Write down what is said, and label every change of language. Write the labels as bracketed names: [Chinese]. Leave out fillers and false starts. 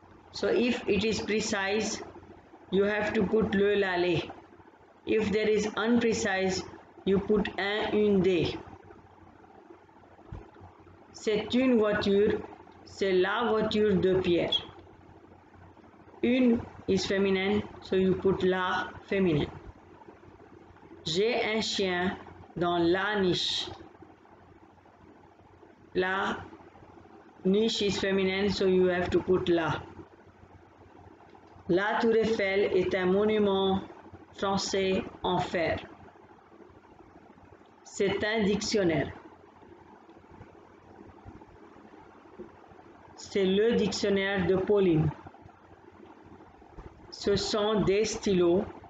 [English] So, if it is precise, you have to put le, la, les. If there is unprecise, you put un, une, des. [French] C'est une voiture, c'est la voiture de Pierre. [English] Une is feminine, so you put la feminine. [French] J'ai un chien dans la niche. [English] La niche is feminine, so you have to put la. [French] La Tour Eiffel est un monument français en fer. C'est un dictionnaire. C'est le dictionnaire de Pauline. Ce sont des stylos.